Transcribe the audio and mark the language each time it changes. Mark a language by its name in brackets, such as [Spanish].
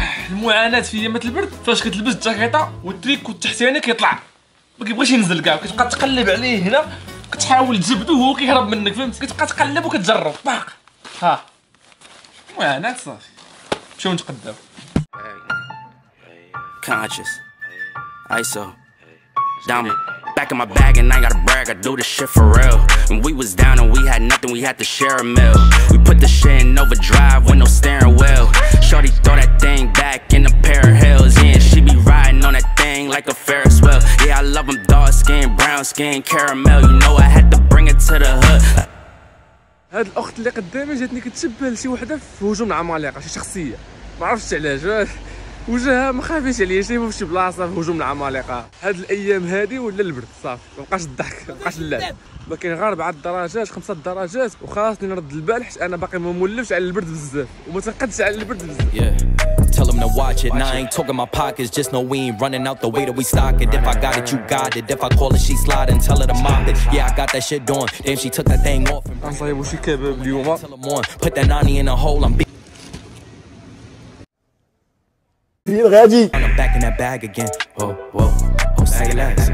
[Arabic] المعاناه في ايامات البرد. فاش كتلبس الجاكيط والتريكو التحتاني كيطلع ما كيبغيش ينزل كاع، كتبقى تقلب عليه هنا كتحاول تجبدو وهو كيهرب منك فهمت. كتبقى تقلب وكتجرب باق. ها المعاناه صافي شوف نتقدم. كونشس ايسو Diamond. [English] Back in my bag and I gotta brag, I do this shit for real. And we was down and we had nothing, we had to share a meal. We put the shit in overdrive with no steering wheel. Shorty throw that thing back in a pair of heels. Yeah, and she be riding on that thing like a Ferris wheel. Yeah, I love them dark skin, brown skin, caramel. You know I had to bring it to the hood. [Arabic] هاد الأخت اللي قدامي جاتني كتشبه لشي وحدة في هجوم العمالقة، شي شخصية ما عرفتش علاش وجهها ما خافيش عليا شايفه فشي بلاصه في هجوم العمالقه. هاد الايام هادي ولا البرد صافي ما بقاش الضحك ما بقاش اللعب، ما كاين غير 4 درجات 5 درجات وخاصني نرد البال حيت انا باقي ما مولفش على البرد بزاف وما تنقدش على البرد بزاف. [English] Tell them to watch it. Nah, I ain't talking my pockets. Just know we ain't running out the way that we stock it. If I got it, you got it. If I call it, she slide and tell her to mop it. Yeah, I got that shit doing. Damn, she took that thing off. I'm sorry, but she kept it. Put that nani in a hole. I'm I'm back in that bag again. Oh, whoa. Oh, say less.